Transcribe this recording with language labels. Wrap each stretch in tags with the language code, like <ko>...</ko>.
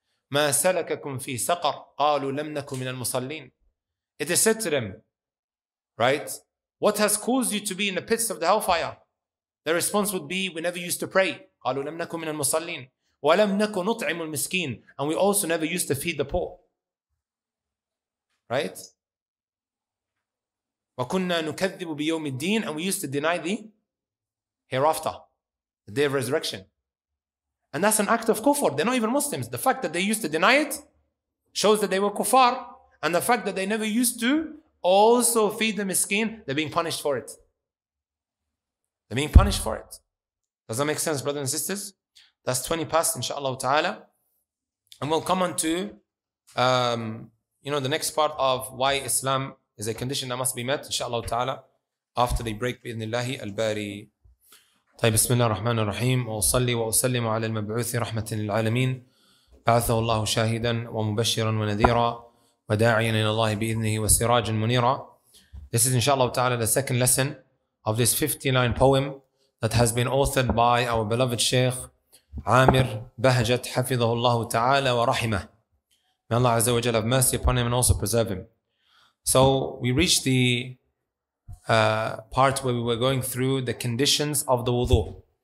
<ar>ما سلككم في سقر قالوا لم نكن من المصلين.</ar> <en>It is said to them, right? What has caused you to be in the pits of the hellfire? Their response would be, we never used to pray.</en> <ar>قالوا لم نكن من المصلين ولم نكن نطعم المسكين.</ar> <en>And we also never used to feed the poor. Right?</en> <ar>وكنا نكذب بيوم الدين.</ar> <en>And we used to deny the hereafter, the day of resurrection. And that's an act of kufr. They're not even Muslims. The fact that they used to deny it shows that they were kufar. And the fact that they never used to also feed the miskin, they're being punished for it. They're being punished for it. Does that make sense, brothers and sisters? That's 20 past, inshallah ta'ala. And we'll come on to, the next part of why Islam is a condition that must be met, inshallah ta'ala, after the break, bi'idhnillahi al-bari.</en> <ar>طيب بسم الله الرحمن الرحيم وأصلي وأسلم على المبعوث رحمة للعالمين بعثه الله شاهدا ومبشرا ونذيرا وداعيا إلى الله بإذنه وسراجا منيرا.</ar> <en>This is inshallah ta'ala the second lesson of this 59 poem that has been authored by our beloved Sheikh عامر بهجت</en> <ar>حفظه الله تعالى ورحمه.</ar> <en>May Allah Azza wa Jalla have mercy upon him and also preserve him. So we reached the part where we were going through the conditions of the wudu.</en>